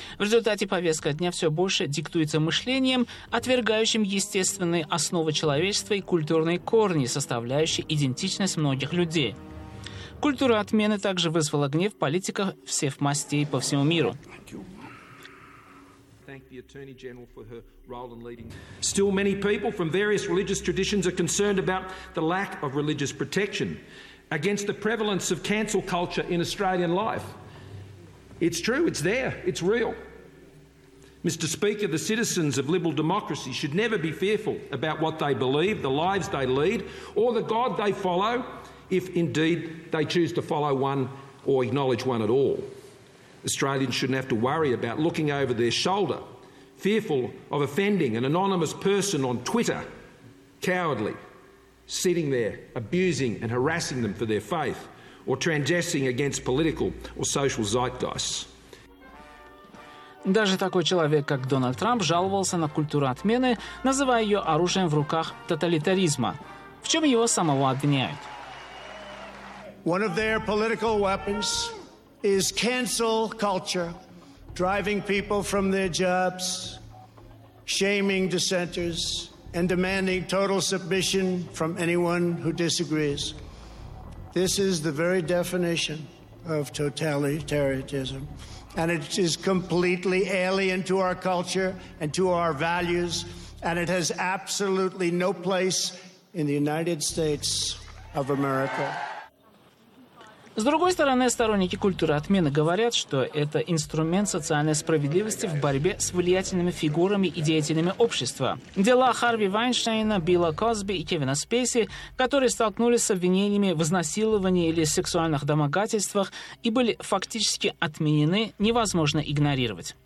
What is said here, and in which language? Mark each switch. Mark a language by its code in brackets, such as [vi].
[ru] В результате повестка дня все больше диктуется мышлением, отвергающим естественные основы человечества и культурные корни, составляющие идентичность многих людей. Культура отмены также вызвала гнев политиков всех мастей по всему миру. [en] Still many people from various religious traditions are concerned about the lack of religious protection. Against the prevalence of cancel culture in Australian life. It's true, it's there, it's real. Mr. Speaker, the citizens of liberal democracy should never be fearful about what they believe, the lives they lead, or the God they follow, if indeed they choose to follow one or acknowledge one at all. Australians shouldn't have to worry about looking over their shoulder, fearful of offending an anonymous person on Twitter, cowardly. Sitting there, abusing and harassing them for their faith, or transgressing against political or social zeitgeist. [ru] Даже такой человек, как Дональд Трамп, жаловался на культуру отмены, называя ее оружием в руках тоталитаризма. В чем его самого обвиняют? [en] One of their political weapons is cancel culture, driving people from their jobs, shaming dissenters. And demanding total submission from anyone who disagrees. This is the very definition of totalitarianism. And it is completely alien to our culture and to our values. And it has absolutely no place in the United States of America. [ru] С другой стороны, сторонники культуры отмены говорят, что это инструмент социальной справедливости в борьбе с влиятельными фигурами и деятелями общества. Дела Харви Вайнштейна, Билла Косби и Кевина Спейси, которые столкнулись с обвинениями в изнасиловании или сексуальных домогательствах и были фактически отменены, невозможно игнорировать.